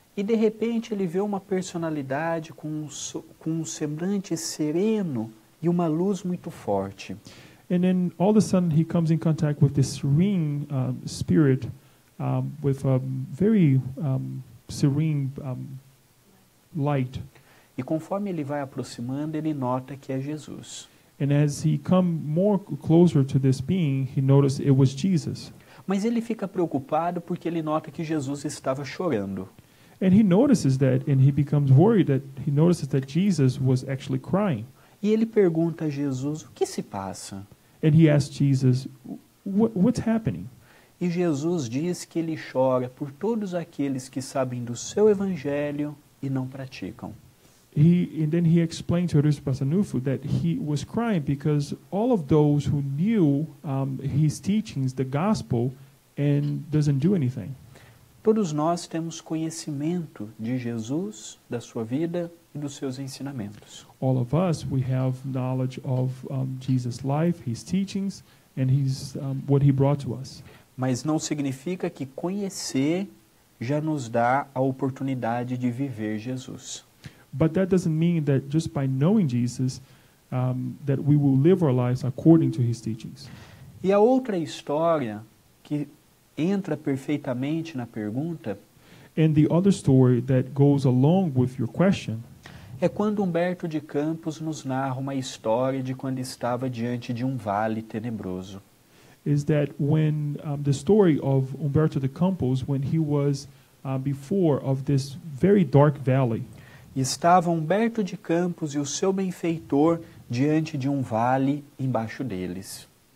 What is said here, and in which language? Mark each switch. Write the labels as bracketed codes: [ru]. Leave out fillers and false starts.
[pt] E de repente ele vê uma personalidade com um semblante sereno e uma luz muito forte. [en] And then all of a sudden he comes in contact with this serene spirit with a very serene light. [pt] E conforme ele vai aproximando, ele nota que é Jesus. [en] And as he come more closer to this being, he noticed it was Jesus. [pt] Mas ele fica preocupado porque ele nota que Jesus estava chorando. [en] And he notices that, and he becomes worried that he notices that Jesus was actually crying. [pt] E ele pergunta a Jesus o que se passa. [en] And he asks Jesus, what's happening? [pt] E Jesus diz que ele chora por todos aqueles que sabem do seu evangelho e não praticam. [en] And then he explained to Eurípides Barçanufo that he was crying because all of those who knew his teachings, the gospel, and doesn't do anything. [pt] Todos nós temos conhecimento de Jesus, da sua vida e dos seus ensinamentos. [en] All of us, we have knowledge of Jesus' life, his teachings, and his what he brought to us. [pt] Mas não significa que conhecer já nos dá a oportunidade de viver Jesus. [en] But that doesn't mean that just by knowing Jesus, that we will live our lives according to his teachings. [pt] E a outra história que entra perfeitamente na pergunta. [en] And the other story that goes along with your question. [pt] É quando Humberto de Campos nos narra uma história de quando estava diante de um vale tenebroso. [en] Is that when the story of Humberto de Campos, when he was before of this very dark valley. [pt] Estava Humberto de Campos e o seu benfeitor diante de um vale embaixo deles.